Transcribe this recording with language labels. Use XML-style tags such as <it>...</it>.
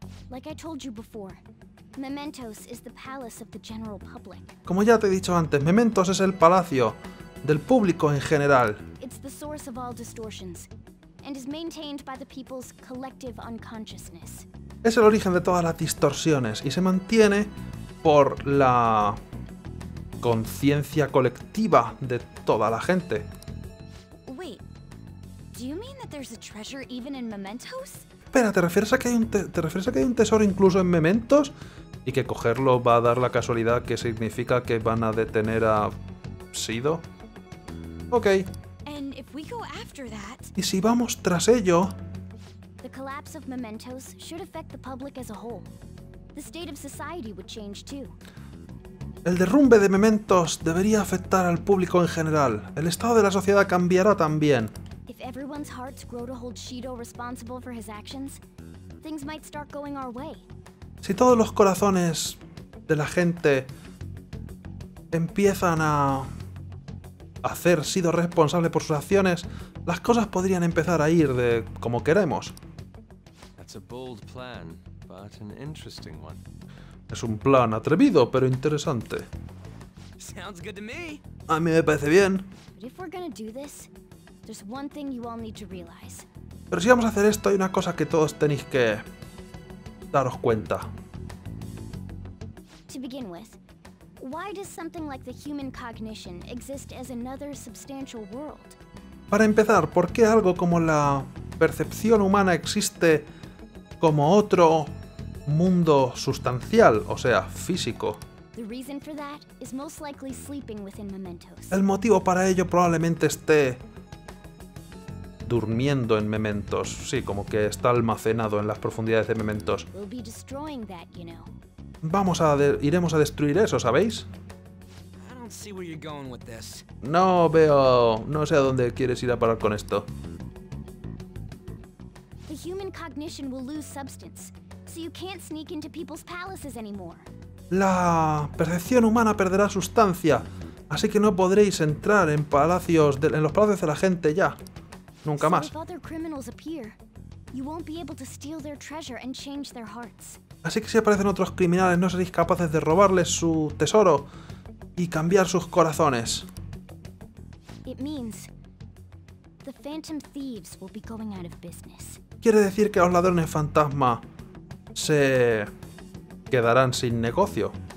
<en>Like I told you before, mementos is the palace of the general public.</en> <es>Como ya te he dicho antes, mementos es el palacio del público en general.</es> <en>It's the source of all distortions and is maintained by the people's collective unconsciousness.</en> <es>Es el origen de todas las distorsiones y se mantiene por la conciencia colectiva de toda la gente.</es> <en>Wait. Do you mean that there's a treasure even in mementos?</en> <es>Espera, ¿te refieres a que hay un tesoro incluso en mementos y que cogerlo va a dar la casualidad que significa que van a detener a Shido?</es> <en>Ok. And if we go after that,</en> <es>y si vamos tras ello,</es> <en>the collapse of mementos should affect the public as a whole. The state of society would change too.</en> <es>El derrumbe de mementos debería afectar al público en general. El estado de la sociedad cambiará también.</es> <en>If everyone's hearts grow to hold Shido responsible for his actions, things might start going our way.</en> <es>Si todos los corazones de la gente empiezan a hacer sido responsable por sus acciones, las cosas podrían empezar a ir de como queremos.</es> <en>That's a bold plan, But an interesting one.</en> <es>Es un plan atrevido, pero interesante.</es> <en>Sounds good to me.</en> <es>A mí me parece bien.</es> <en>But if we're gonna do this, there's one thing you all need to realize.</en> <es>Pero si vamos a hacer esto, hay una cosa que todos tenéis que daros cuenta.</es> <en>To begin with, why does something like the human cognition exist as another substantial world?</en> <es>Para empezar, ¿por qué algo como la percepción humana existe como otro mundo sustancial, o sea, físico?</es> <en>The reason for that is most likely sleeping within mementos.</en> <es>El motivo para ello probablemente esté durmiendo en mementos. Sí, como que está almacenado en las profundidades de mementos.</es> <en>We'll be destroying that, you know.</en> <es>Vamos a iremos a destruir eso, ¿sabéis?</es> <en>I don't see where you're going with this.</en> <es>No veo, no sé a dónde quieres ir a parar con esto.</es> <en>The human cognition will lose substance, so you can't sneak into people's palaces anymore.</en> <es>La percepción humana perderá sustancia, así que no podréis entrar en palacios de, en los palacios de la gente ya. Nunca más.</es> <en>So if other criminals appear, you won't be able to steal their treasure and change their hearts.</en> <es>Así que si aparecen otros criminales, no seréis capaces de robarles su tesoro y cambiar sus corazones.</es> <en>It means the phantom thieves will be going out of business.</en> <es>Quiere decir que los ladrones fantasma se quedarán sin negocio.</es>